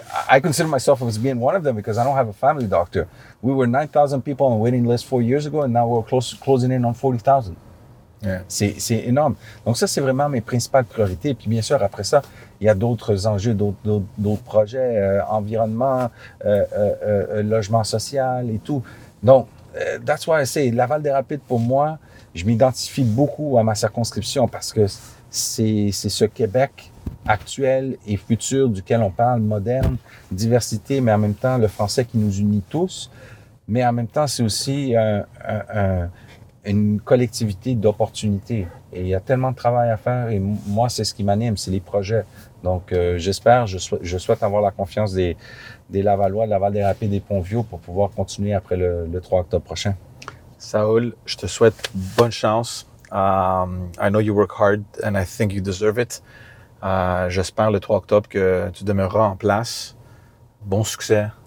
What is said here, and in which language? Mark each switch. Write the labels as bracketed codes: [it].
[en] I consider myself as being one of them because I don't have a family doctor. We were 9,000 people on waiting list 4 years ago and now we're closing in on 40,000. Yeah. [fr] C'est énorme. Donc ça, c'est vraiment mes principales priorités. Puis bien sûr, après ça, il y a d'autres enjeux, d'autres projets, environnement, logement social et tout. Donc, [en] that's why I say, [fr] Laval-des-Rapides, pour moi, je m'identifie beaucoup à ma circonscription parce que c'est ce Québec actuel et futur duquel on parle, moderne, diversité, mais en même temps, le français qui nous unit tous. Mais en même temps, c'est aussi une collectivité d'opportunités. Et il y a tellement de travail à faire et moi, c'est ce qui m'anime, c'est les projets. Donc, je souhaite avoir la confiance des Lavalois, de Laval-des-Rapides et Pont-Vieux pour pouvoir continuer après le 3 octobre prochain. Saul, je te souhaite bonne chance. [en] I know you work hard and I think you deserve it. [fr] J'espère le 3 octobre que tu demeureras en place. Bon succès.